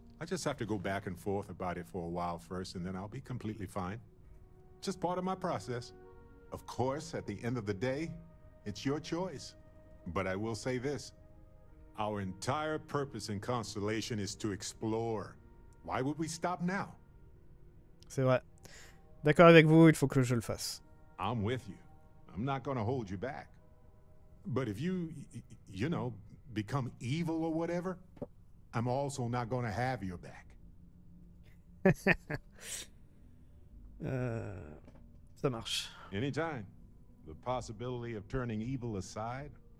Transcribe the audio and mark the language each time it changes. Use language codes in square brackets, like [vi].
[en] I just have to go back and forth about it for a while first, and then I'll be completely fine. Just part of my process. Of course, at the end of the day, it's your choice. But I will say this. Our entire purpose in Constellation is to explore. Why would we stop now? [fr] C'est vrai. D'accord avec vous, il faut que je le fasse. [en] I'm with you. I'm not going to hold you back. But if you, you know, become evil or whatever, I'm also not going to have your back. [fr] ça marche. [en] Anytime. The possibility of turning evil aside...